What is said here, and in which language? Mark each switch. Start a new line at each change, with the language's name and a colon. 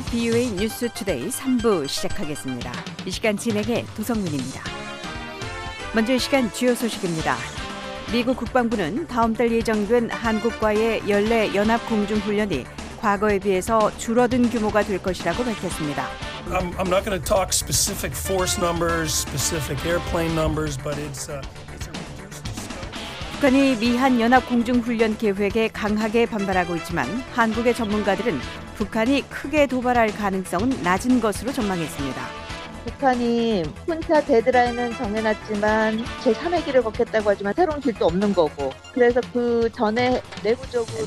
Korean: VOA 뉴스 투데이 3부 시작하겠습니다. 이 시간 진행해 도성민입니다. 먼저 이 시간 주요 소식입니다. 미국 국방부는 다음 달 예정된 한국과의 연례 연합 공중 훈련이 과거에 비해서 줄어든 규모가 될 것이라고 밝혔습니다.
English: I'm not going to talk specific force numbers, specific airplane numbers, but it's a reduced...
Korean: 북한이 미한 연합 공중 훈련 계획에 강하게 반발하고 있지만 한국의 전문가들은 북한이 크게 도발할 가능성은 낮은 것으로 전망했습니다. 북한이 혼자 데드라인은 정해놨지만 제3의 길을 걷겠다고 하지만 새로운 길도 없는 거고 그래서 그 전에 내부적으로